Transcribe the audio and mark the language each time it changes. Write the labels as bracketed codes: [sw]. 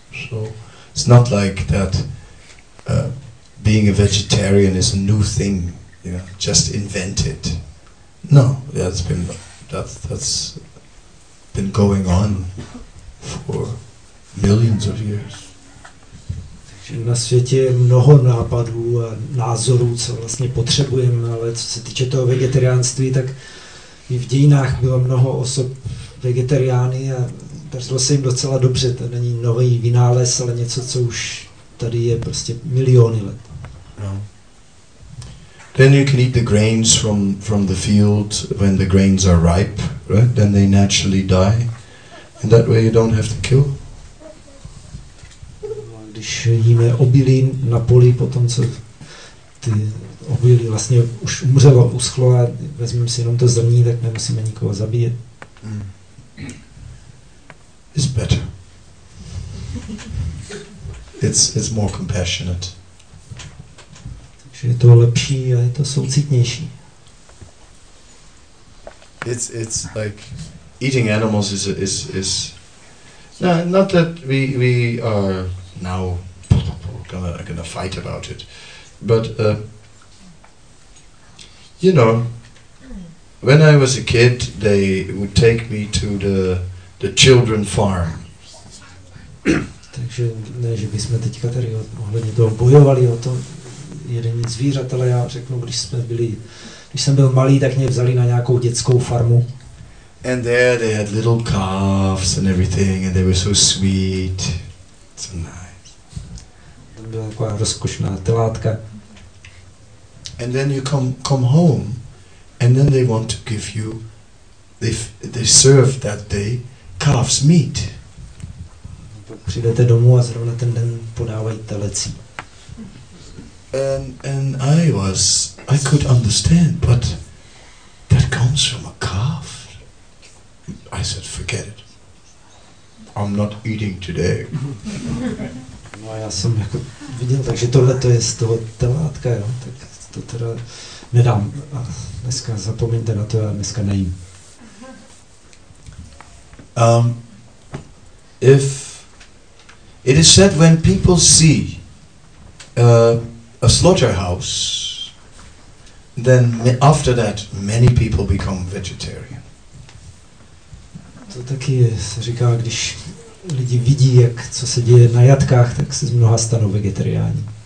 [en] So it's not like that being a vegetarian is a new thing, you know, just invented. No, that's been going on for millions of years. [cs] Na světě je mnoho nápadů a názorů, co vlastně potřebujeme, ale co se týče toho vegetariánství, tak i v dějinách bylo mnoho osob vegetariány a dařilo se jim docela dobře. To není nový vynález, ale něco, co už tady je prostě miliony let. No. [en] Then you can eat the grains from the field when the grains are ripe, right? Then they naturally die, and that way you don't have to kill. [cs] Když jíme obilí na poli, potom co ty obilí vlastně už umřelo, uschlo a vezmeme si jenom to zrní, tak nemusíme nikoho zabíjet. [en] It's better. It's more compassionate. [cs] Je to lepší a je to soucitnější. [en] It's like eating animals is not that we are now gonna fight about it, but you know, when I was a kid, they would take me to the children farm. [cs] Takže ne, že bychom teďka tady ohledně toho bojovali o to. Jeden zvířat, ale já řeknu, když jsem byl malý, tak mě vzali na nějakou dětskou farmu. [en] And there they had little calves and everything, and they were so sweet, so nice. [cs] Tam byla taková rozkošná telátka. [en] And then you come home, and then they want to give you, they serve that day calf's meat. [cs] Přijdete domů a zrovna ten den podávají telecí. [en] And I could understand, but that comes from a calf. I said, forget it. I'm not eating today. [cs] No, já jsem jako viděl, takže tohle to je z toho telátka, jo? Tak to teda nedám. A dneska zapomeňte na to, já dneska nejím. [en] If it is said when people see a slaughterhouse, then after that many people become vegetarian. [cs] To taky se říká, když lidi vidí, jak co se děje na jatkách, tak se z mnoha stanou vegetariáni.